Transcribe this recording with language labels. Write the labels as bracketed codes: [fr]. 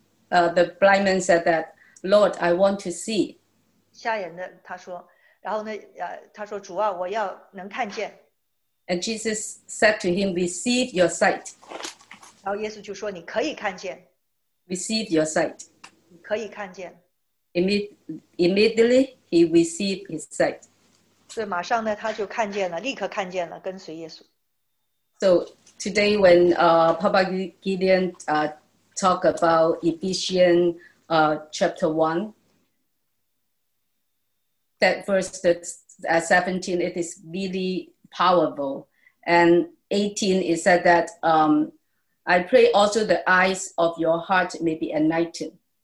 [en] The blind man said that, "Lord, I want to see." [zh] 瞎眼的他说。然后呢，他说：“主啊，我要能看见。”And [en] Jesus said to him, "Receive your sight." [zh] 然后耶稣就说：“你可以看见。” [en] Receive your sight. [zh] 你可以看见。 [en] Immediately he received his sight. [zh] 所以马上呢，他就看见了，立刻看见了，跟随耶稣。So [en] today, when Papa Gideon talk about Ephesians chapter 1. That verse, that 17, it is really powerful. And 18, it said that, "I pray also the eyes of your heart may be enlightened."